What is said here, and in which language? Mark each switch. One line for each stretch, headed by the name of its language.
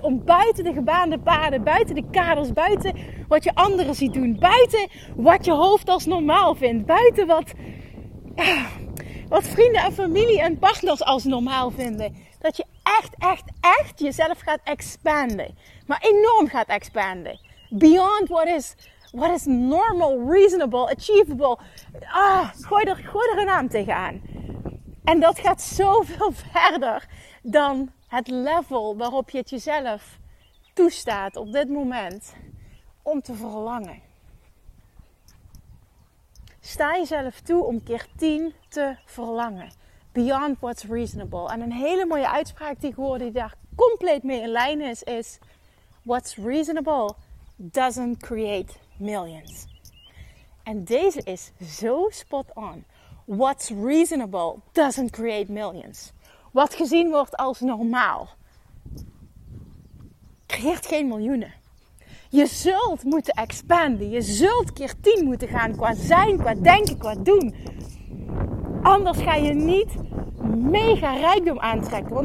Dutch: Om buiten de gebaande paden, buiten de kaders, buiten wat je anderen ziet doen, buiten wat je hoofd als normaal vindt, buiten wat vrienden en familie en partners als normaal vinden. Dat je echt jezelf gaat expanden. Maar enorm gaat expanden.
English: Beyond what is normal, reasonable, achievable.
Dutch: Ah, gooi er een naam tegenaan. En dat gaat zoveel verder dan het level waarop je het jezelf toestaat op dit moment om te verlangen. Sta jezelf toe om keer 10 te verlangen.
English: beyond what's reasonable.
Dutch: En een hele mooie uitspraak die ik hoorde die daar compleet mee in lijn is, is
English: what's reasonable doesn't create millions.
Dutch: En deze is zo
English: spot on. What's reasonable doesn't create millions.
Dutch: Wat gezien wordt als normaal, creëert geen miljoenen. Je zult moeten expanden. Je zult keer 10 moeten gaan qua zijn, qua denken, qua doen. Anders ga je niet mega rijkdom aantrekken.